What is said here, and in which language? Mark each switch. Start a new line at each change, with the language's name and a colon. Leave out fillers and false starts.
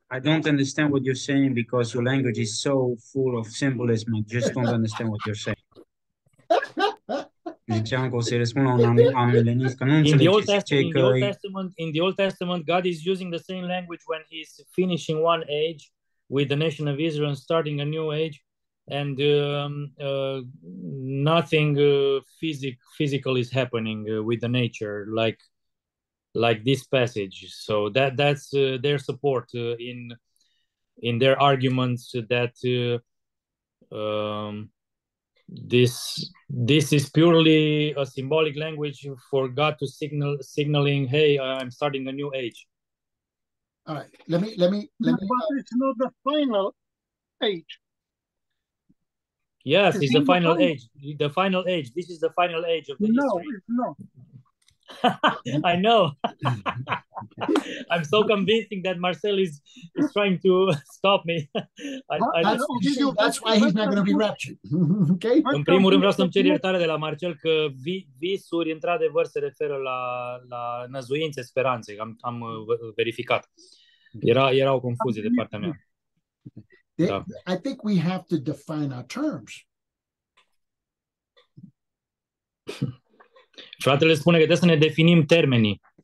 English: I don't understand what you're saying because your language is so full of symbolism. I just don't understand what you're saying.
Romanian: Ziceam că o să-i răspund la un amillennialist, că nu înțelegeți.
English: In the Old Testament, God is using the same language when he's finishing one age with the nation of Israel and starting a new age. and nothing physical is happening with the nature, like this passage. So that's their support in their arguments that this is purely a symbolic language for God to signaling, hey, I'm starting a new age. All right, let me but it's not the final age. Yes, it's the final age. The final age. This is the final age of the history. I know. I'm so convincing that Marcel is trying to stop me. That's why he's not going to be raptured. Okay?
Romanian: În primul rând vreau să-mi cer iertare de la Marcel că visuri într-adevăr se referă la năzuințe, speranțe. Am verificat. Era o confuzie de partea mea. Da.
English: I think we have to define our terms.
Romanian: Fratele spune că trebuie să ne definim termenii.